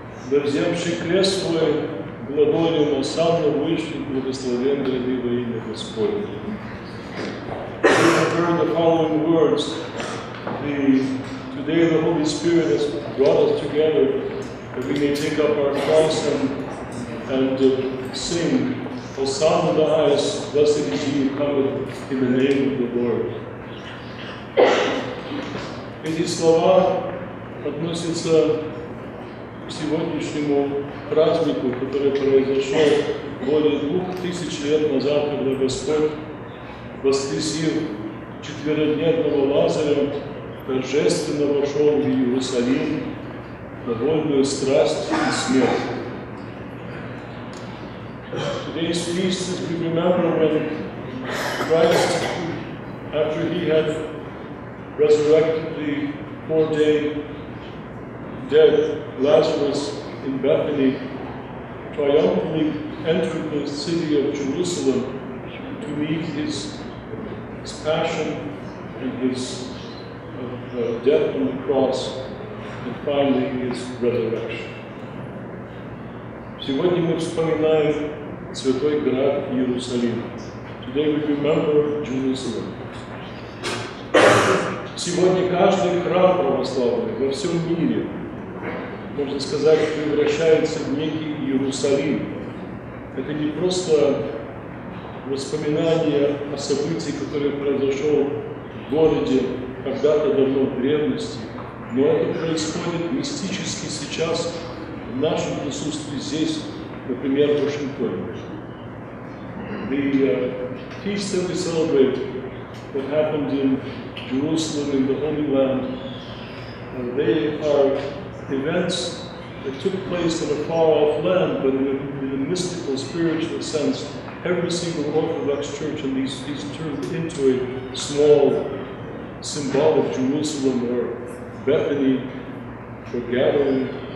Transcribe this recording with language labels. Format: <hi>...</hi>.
<ru>да взявши крест свой, глаголю на Санну вышли, благословен гряди во имя Господне.</ru> <en>We have heard the following words. Today the Holy Spirit has brought us together that we may take up our cross and sing. Hosanna the highest, blessed is he who cometh in the name of the Lord.</en> <ru>Эти слова относятся к сегодняшнему празднику, который произошел более 2000 лет назад, когда Господь воскресил четверодневного Лазаря, торжественно вошел в Иерусалим на вольную страсть и смерть.</ru> <en>Today's feast is we remember when Christ, after he had resurrected the four-day dead Lazarus in Bethany, triumphantly entered the city of Jerusalem to meet his passion and his death on the cross, and finally his resurrection.</en> <ru>Сегодня мы вспоминаем Святой Град Иерусалим.</ru> <en>Today we remember Jerusalem.</en> <ru>Сегодня каждый храм православный во всем мире, можно сказать, превращается в некий Иерусалим. Это не просто воспоминание о событии, которое произошло в городе когда-то давно в древности, но это происходит мистически сейчас в нашем присутствии здесь, например, в Вашингтоне.</ru> <en>The feast that we celebrate that happened in Jerusalem, in the Holy Land, and they are events that took place in a far-off land, but in a mystical, spiritual sense, every single Orthodox church in these turned into a small symbol of Jerusalem or Bethany for gathering.</en>